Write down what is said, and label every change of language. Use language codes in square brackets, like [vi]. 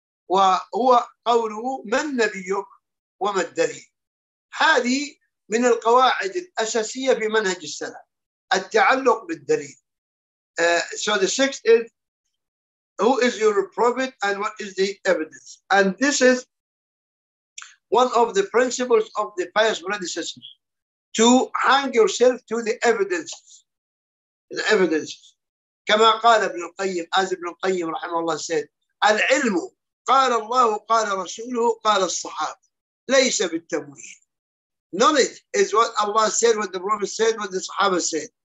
[ar] وهو قوله من نبيك وما الدليل. هذه من القواعد الأساسية في منهج السلف, التعلق بالدليل. [en] So the sixth is, who is your prophet and what is the evidence? And this is one of the principles of the pious predecessors, to hang yourself to the evidences. The evidences. [ar] كما قال ابن القيم, [en] as [ar] ابن القيم رحمه الله [en] said, [ar] العلم قال الله قال رسوله قال الصحابة ليس بالتمويل. [en] Knowledge is what Allah said, what the Prophet said, what the Sahaba said.